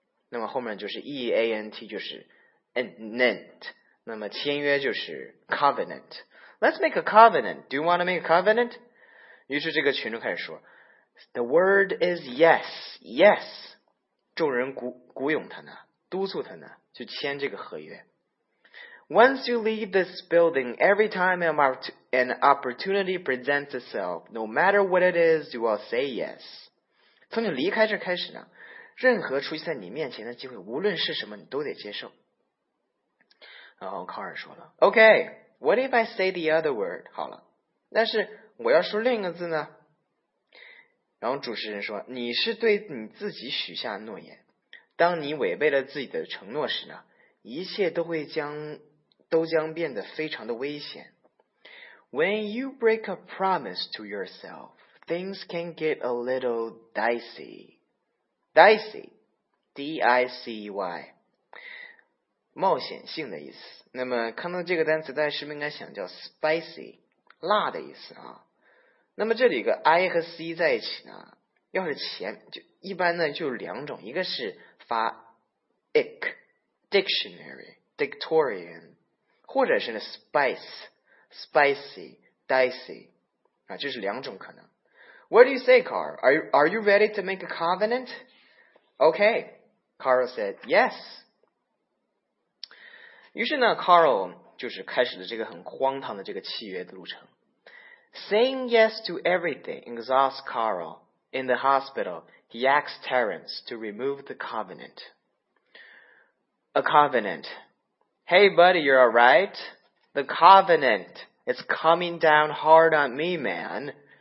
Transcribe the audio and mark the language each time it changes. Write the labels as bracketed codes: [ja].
[zh] 那么后面就是 E-A-N-T 就是 Nent. 那么签约就是 covenant. [en] Let's make a covenant. Do you want to make a covenant? [zh] 于是这个群众开始说 [en] The word is yes. Yes. [zh] 众人鼓勇他呢，督促他呢，去签这个合约。 [en] Once you leave this building, every time an opportunity presents itself, no matter what it is, you will say yes. [zh] 从你离开这开始呢，任何出现在你面前的机会，无论是什么，你都得接受。然后卡尔说了 [en] OK, what if I say the other word? [zh] 好了，但是我要说另一个字呢。然后主持人说，你是对你自己许下诺言，当你违背了自己的承诺时呢，一切都将变得非常的危险。 [en] When you break a promise to yourself, things can get a little dicey. [zh] Dicey, D-I-C-E-Y. 冒险性的意思。那么看到这个单词，大家是不是应该想叫 spicy, 辣的意思啊。那么这里一个 I 和 C 在一起呢，要是前就一般呢就两种，一个是发 ick, dictionary, dictorian, 或者是 spice, spicy, dicey, 啊，就是两种可能。 [en] What do you say, Carl? Are you ready to make a covenant? Okay, Carl said, yes. [zh] 于是呢 ,Carl 就是开始了这个很荒唐的这个契约的路程。 [en] Saying yes to everything exhausts Carl. In the hospital, he asks Terence to remove the covenant. A covenant. Hey buddy, you're alright? The covenant is coming down hard on me, man.